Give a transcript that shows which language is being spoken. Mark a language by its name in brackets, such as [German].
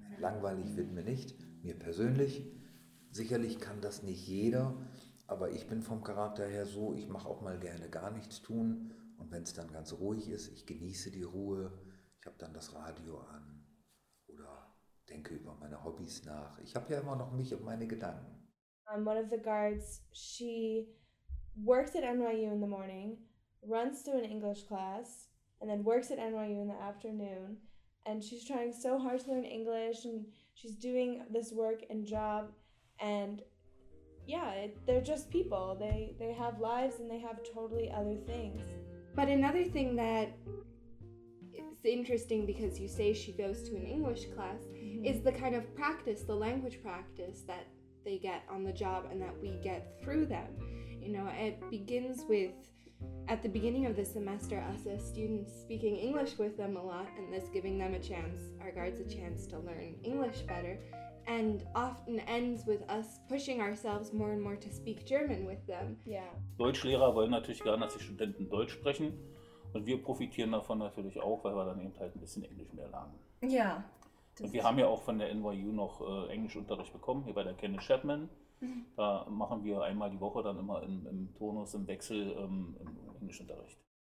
[German] Langweilig wird mir nicht, mir persönlich. Sicherlich kann das nicht jeder. Aber ich bin vom Charakter her so, ich mache auch mal gerne gar nichts tun. Und wenn es dann ganz ruhig ist, ich genieße die Ruhe, ich habe dann das Radio an oder denke über meine Hobbys nach. Ich habe ja immer noch mich und meine Gedanken. [English] One of the guards, she works at NYU in the morning, runs to an English class and then works at NYU in the afternoon. And she's trying so hard to learn English and she's doing this work and job and yeah, they're just people. They have lives and they have totally other things. But another thing that is interesting because you say she goes to an English class is the kind of practice, the language practice that they get on the job and that we get through them. You know, it begins with, at the beginning of the semester, us as students speaking English with them a lot and this giving them a chance, our guards a chance to learn English better. And often ends with us pushing ourselves more and more to speak German with them. Yeah. [German] Deutschlehrer wollen natürlich gerne, dass die Studenten Deutsch sprechen. Und wir profitieren davon natürlich auch, weil wir dann eben halt ein bisschen Englisch mehr lernen. Ja. Yeah, und wir haben ja auch von der NYU noch Englischunterricht bekommen, hier bei der Kenneth Chapman. Da machen wir einmal die Woche dann immer im Turnus, im Wechsel Englischunterricht.